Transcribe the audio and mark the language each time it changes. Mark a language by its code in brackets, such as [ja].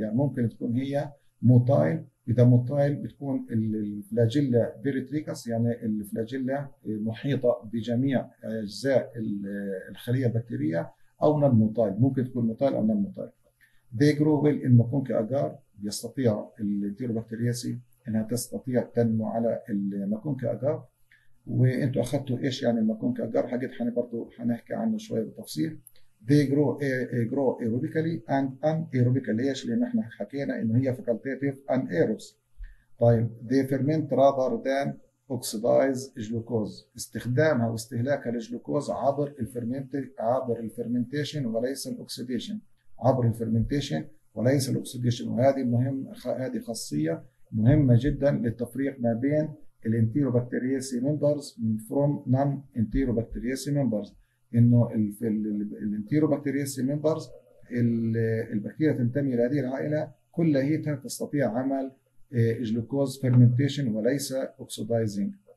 [ar] يعني ممكن تكون هي motile، إذا motile بتكون الفلاجيلا peritrichous يعني الفلاجيلا محيطة بجميع أجزاء الخلية البكتيرية، أو non-motile ممكن تكون motile أو non-motile. [en] they grow well in [ar] مكونكي أجار، يستطيع الانتيروبكترياسي انها تستطيع تنمو على المكونكي أجار. وانتوا اخذتوا ايش يعني المكونكي أجار، حقيقة حني برضو حنحكي عنه شوية بالتفصيل. [en] they grow grow aerobically and anaerobically، [ar] ليش؟ لان احنا حكينا انه هي [en] facultative and aerobes. [ar] طيب [en] they ferment rather than oxidize glucose، [ar] استخدامها واستهلاكها للجلوكوز عبر الفيرمنتيشن وليس الاكسديشن، عبر الفيرمنتيشن وليس الاكسديشن. وهذه مهم، هذه خاصيه مهمه جدا للتفريق ما بين الانتيروبكترياسي ممبرز من فروم نون انتيروبكترياسي ممبرز، انه الانتيروبكترياسي ممبرز البكتيريا تنتمي لهذه العائله كلها تستطيع عمل جلوكوز فيرمنتيشن وليس اوكسيدايزنج.